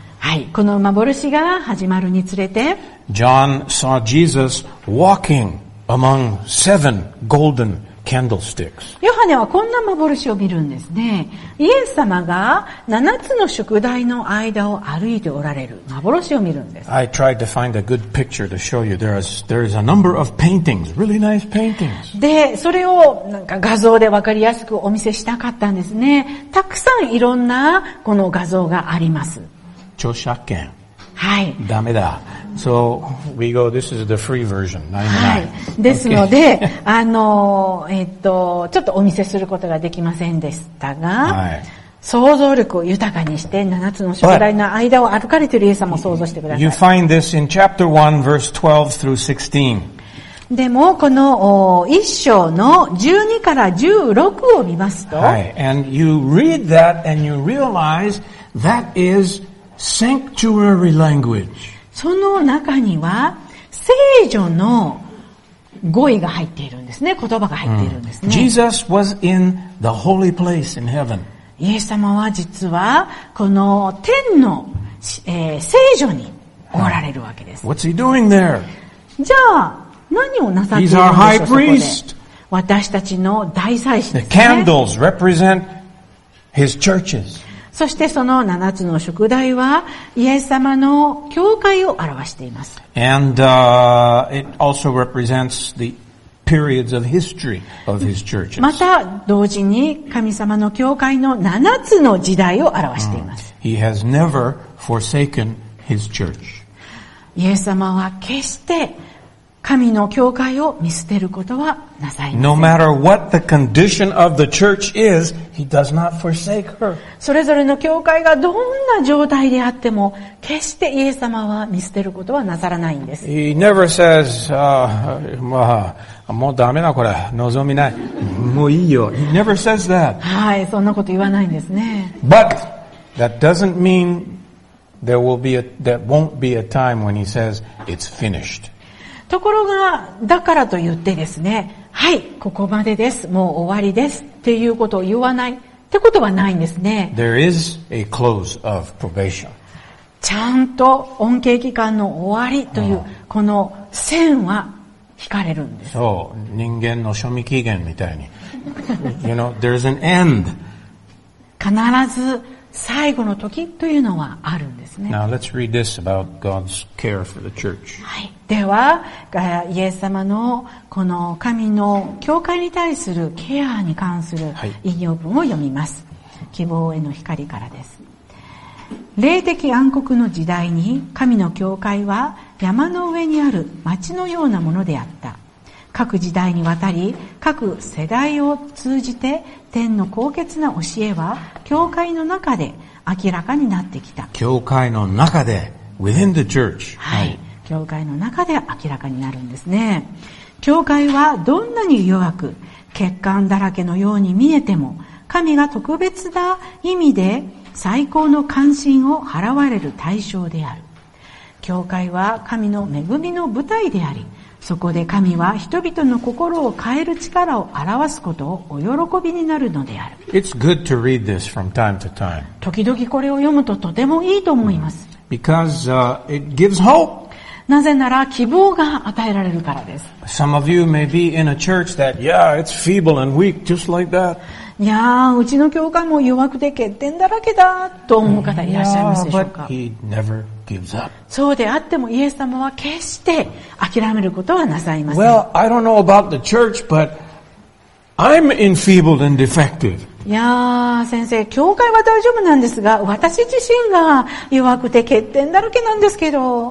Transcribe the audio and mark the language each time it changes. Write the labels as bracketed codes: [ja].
[ja] はい、この幻が始まるにつれて、 [en] John saw Jesus walking among seven golden candlesticks. [ja] ヨハネはこんな幻を見るんですね。イエス様が七つの宿題の間を歩いておられる幻を見るんです。 [en] I tried to find a good picture to show you. There is a number of paintings, really nice paintings. [ja] で、それをなんか画像でわかりやすくお見せしたかったんですね。たくさんいろんなこの画像があります。著作権。はい。ダメだ。 [en] So we go. This is the free version. 99. [ja] はい。ですので、 [en] okay. [ja] ちょっとお見せすることができませんでしたが、想像力を豊かにして七つの宿題の間を歩かれているイエス様を想像してください。 [en] You find this in chapter 1, verse 12 through 16. [ja] でもこの一章の12から16を見ますと、はい。 [en] And you read that and you realize that is sanctuary language. [ja] その中には聖女の語彙が入っているんですね。言葉が入っているんですね。 [en] Jesus was in the holy place in heaven. [ja] イエス様は実はこの天の、聖女におられるわけです。 [en] What's he doing there? [ja] じゃあ何をなさっているんでしょう、 [en] He's our high priest. [ja] そこで。私たちの大祭司ですね。 [en] The candles represent his churches. [ja] そしてその七つの宿題はイエス様の教会を表しています。 [en] And, it also represents the periods of history of his churches. [ja] また同時に神様の教会の七つの時代を表しています。 [en] He has never forsaken his church. [ja] イエス様は決して神の教会を見捨てることはなさいません。 [en] No matter what the condition of the church is, he does not forsake her. [ja] それぞれの教会がどんな状態であっても、決してイエス様は見捨てることはなさらないんです。 [en] He never says, [ja] まあ、もうダメなこれ、望みない。もういいよ。 [en] He never says that. [ja] はい、そんなこと言わないんですね。 [en] But, that doesn't mean there won't be a time when he says, it's finished. [ja] ところがだからと言ってですね、はい、ここまでです、もう終わりですっていうことを言わないってことはないんですね。 [en] There is a close of probation. [ja] ちゃんと恩恵期間の終わりというこの線は引かれるんです。そう、人間の賞味期限みたいに、 [en] you know, there's an end. [ja] 必ず最後の時というのはあるんですね。 [en] Now let's read this about God's care for the church. [ja] はい。では、イエス様のこの神の教会に対するケアに関する引用文を読みます。希望への光からです。霊的暗黒の時代に神の教会は山の上にある町のようなものであった。各時代にわたり、各世代を通じて天の高潔な教えは教会の中で明らかになってきた。教会の中で、 [en] within the church。 [ja] はい。教会の中で明らかになるんですね。教会はどんなに弱く欠陥だらけのように見えても、神が特別な意味で最高の関心を払われる対象である。教会は神の恵みの舞台であり、そこで神は人々の心を変える力を表すことをお喜びになるのである。 [en] It's good to read this from time to time. [ja] 時々これを読むととてもいいと思います。 [en] Because, it gives hope. [ja] なぜなら希望が与えられるからです。 [en] Some of you may be in a church that, yeah, it's feeble and weak, just like that. [ja] いやー、うちの教会も弱くて欠点だらけだと思う方いらっしゃいますでしょうか。 [en] Yeah, but he never gives up. [ja] そうであってもイエス様は決して諦めることはなさいません。 [en] Well, I don't know about the church, but I'm enfeebled and defective. [ja] いやー先生、教会は大丈夫なんですが、私自身が弱くて欠点だらけなんですけど。